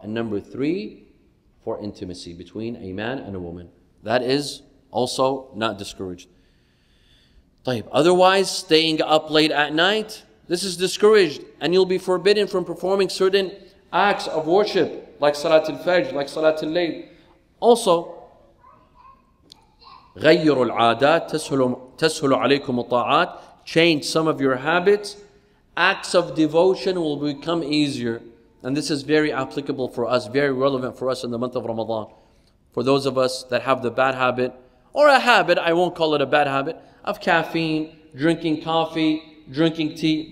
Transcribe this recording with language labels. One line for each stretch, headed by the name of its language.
English: And number three, for intimacy between a man and a woman. That is also not discouraged.
Arabic: طيب.
English: Otherwise, staying up late at night, this is discouraged. And you'll be forbidden from performing certain acts of worship, like Salat al-Fajr, like Salat al-Layl.
Arabic: Also, غَيِّرُوا الْعَادَاتِ تَسْهُلُ عَلَيْكُمْ الطَّاعَاتِ.
English: Change some of your habits. Acts of devotion will become easier. And this is very applicable for us, very relevant for us in the month of Ramadan. For those of us that have the bad habit, or a habit, I won't call it a bad habit, of caffeine, drinking coffee, drinking tea.